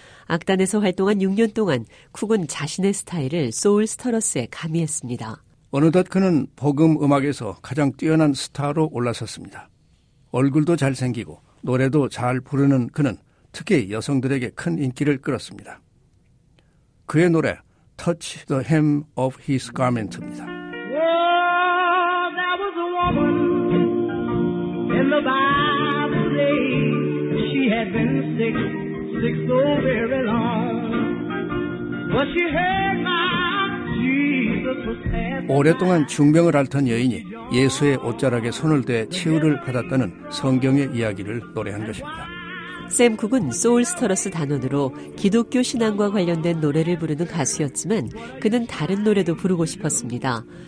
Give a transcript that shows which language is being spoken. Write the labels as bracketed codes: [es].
[ko] 악단에서 활동한 6년 동안 쿡은 자신의 스타일을 소울 스터러스에 가미했습니다. 어느덧 그는 복음 음악에서 가장 뛰어난 스타로 올라섰습니다. 얼굴도 잘생기고 노래도 잘 부르는 그는 특히 여성들에게 큰 인기를 끌었습니다. 그의 노래 Touch the hem of his garment입니다. [en] Oh, there was a woman in the Bible day. She had been sick so very long. But she heard my Jesus was passing. [ko] 오랫동안 중병을 앓던 여인이 예수의 옷자락에 손을 대 치유를 받았다는 성경의 이야기를 노래한 것입니다. 샘 쿡은 소울스터러스 단원으로 기독교 신앙과 관련된 노래를 부르는 가수였지만 그는 다른 노래도 부르고 싶었습니다.